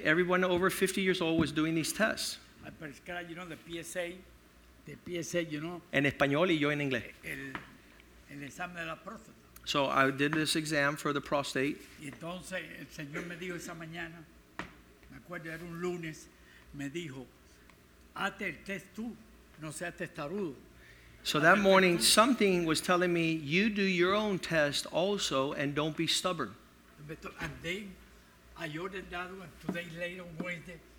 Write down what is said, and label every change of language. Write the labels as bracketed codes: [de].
[en] Everyone over 50 years old was doing these tests. I prescribe, you know, the PSA, you know. [es] En español y yo en inglés. El examen de la próstata. [en] So I did this exam for the prostate. [es] Y entonces el señor me dijo esa mañana, me acuerdo era un lunes, me dijo, hazte el test tú, no seas testarudo. [en] So that morning, something was telling me, you do your own test also and don't be stubborn. And then I ordered that one 2 days later on Wednesday.